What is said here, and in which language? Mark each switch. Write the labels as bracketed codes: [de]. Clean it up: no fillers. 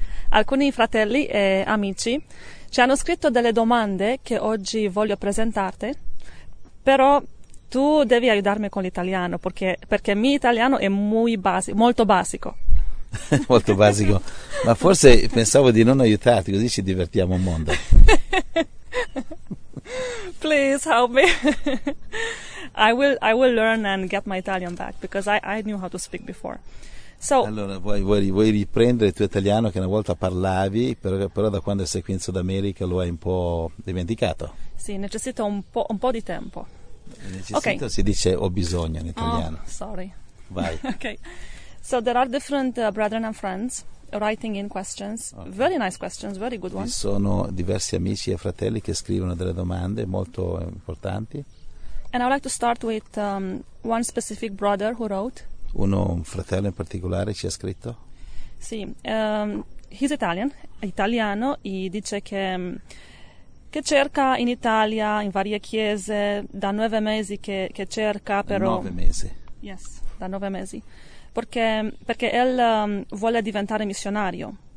[it] Alcuni fratelli e amici ci hanno scritto delle domande che oggi voglio presentarti, però tu devi aiutarmi con l'italiano, perché il mio italiano è molto basico. Molto basico, ma forse pensavo di non aiutarti, così ci divertiamo un mondo. [en] Please help me. I will learn and get my Italian back because I knew how to speak before. [it] So, allora, vuoi riprendere il tuo italiano che una volta parlavi, però da quando sei qui in Sud America lo hai un po' dimenticato. Sì, necessito un po' di tempo. Necessito, okay. Si dice ho bisogno in italiano. [en] Oh, sorry. [it] Vai. [en] Okay. So there are different brethren and friends writing in questions. Okay. Very nice questions, very good ones. [it] Ci sono diversi amici e fratelli che scrivono delle domande molto importanti. [en] And I would like to start with one specific brother who wrote. [it] Un fratello in particolare ci ha scritto. Sì, [en] he's Italian, [it] italiano, e dice che cerca in Italia, in varie chiese, da 9 mesi che cerca, però... 9 mesi. Yes, da 9 mesi. Perché él vuole diventare missionario.